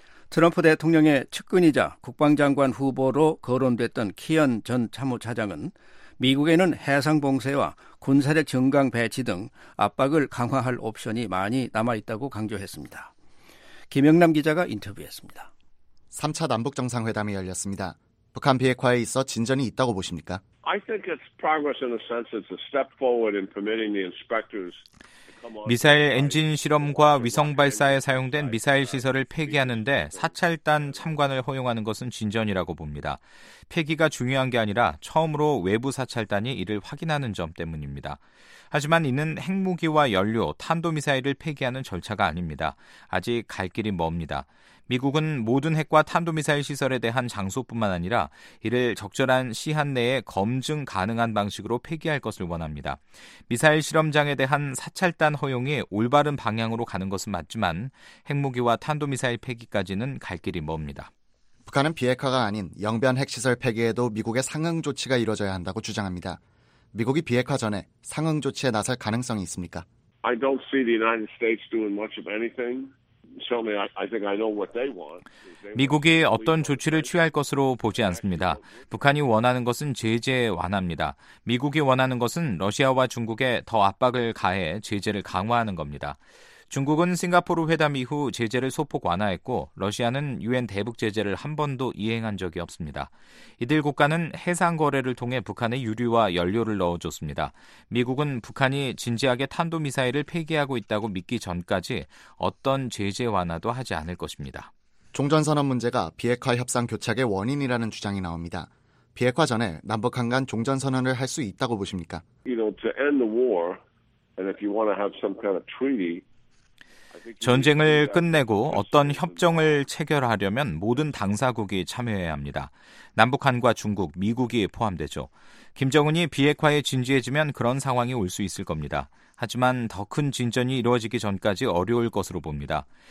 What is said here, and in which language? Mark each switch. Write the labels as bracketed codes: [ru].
[ko] 트럼프 대통령의 측근이자 국방장관 후보로 거론됐던 키언 전 참모차장은 미국에는 해상봉쇄와 군사력 증강 배치 등 압박을 강화할 옵션이 많이 남아있다고 강조했습니다. 김영남 기자가 인터뷰했습니다. 3차 남북정상회담이 열렸습니다. 북한 비핵화에 있어 진전이 있다고 보십니까? [en] I think it's progress in the sense it's a step forward in permitting the inspectors. [ko] 미사일 엔진 실험과 위성 발사에 사용된 미사일 시설을 폐기하는데 사찰단 참관을 허용하는 것은 진전이라고 봅니다. 폐기가 중요한 게 아니라 처음으로 외부 사찰단이 이를 확인하는 점 때문입니다. 하지만 이는 핵무기와 연료, 탄도미사일을 폐기하는 절차가 아닙니다. 아직 갈 길이 멉니다. 미국은 모든 핵과 탄도미사일 시설에 대한 장소뿐만 아니라 이를 적절한 시한 내에 검증 가능한 방식으로 폐기할 것을 원합니다. 미사일 실험장에 대한 사찰단 허용이 올바른 방향으로 가는 것은 맞지만 핵무기와 탄도미사일 폐기까지는 갈 길이 멉니다. 북한은 비핵화가 아닌 영변 핵시설 폐기에도 미국의 상응 조치가 이뤄져야 한다고 주장합니다. 미국이 비핵화 전에 상응 조치에 나설 가능성이 있습니까? [en] I don't see the United States doing much of anything. Show me, I think I know what they want. [ko] 미국이 어떤 조치를 취할 것으로 보지 않습니다. 북한이 원하는 것은 제재 완화입니다. 미국이 원하는 것은 러시아와 중국에 더 압박을 가해 제재를 강화하는 겁니다. 중국은 싱가포르 회담 이후 제재를 소폭 완화했고 러시아는 유엔 대북 제재를 한 번도 이행한 적이 없습니다. 이들 국가는 해상 거래를 통해 북한에 유류와 연료를 넣어줬습니다. 미국은 북한이 진지하게 탄도미사일을 폐기하고 있다고 믿기 전까지 어떤 제재 완화도 하지 않을 것입니다. 종전선언 문제가 비핵화 협상 교착의 원인이라는 주장이 나옵니다. 비핵화 전에 남북한 간 종전선언을 할 수 있다고 보십니까? [en] You know, to end the war, and if you want to have some kind of treaty, [ko] 전쟁을 끝내고 어떤 협정을 체결하려면 모든 당사국이 참여해야 합니다. 남북한과 중국, 미국이 포함되죠. 김정은이 비핵화에 진지해지면 그런 상황이 올 수 있을 겁니다. 하지만 더 큰 진전이 이루어지기 전까지 어려울 것으로 봅니다.